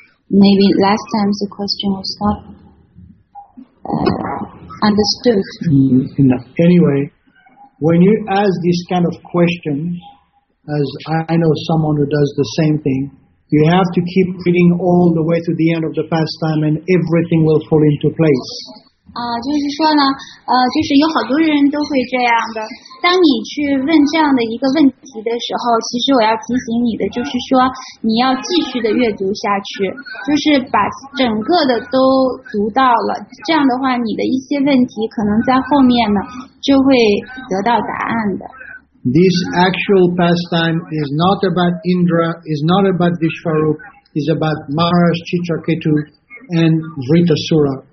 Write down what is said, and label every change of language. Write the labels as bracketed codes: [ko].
[en] Maybe last time the question was not understood. No. Anyway, when you ask these kind of questions, as I know someone who does the same thing, you have to keep reading all the way to the end of the pastime and everything will fall into place. [zh] 就是说呢，就是有好多人都会这样的。当你去问这样的一个问题的时候，其实我要提醒你的就是说，你要继续的阅读下去，就是把整个的都读到了。这样的话，你的一些问题可能在后面呢就会得到答案的。 [en] This actual pastime is not about Indra, is not about Vishwarup, is about Maharaj Chitraketu and Vritasura.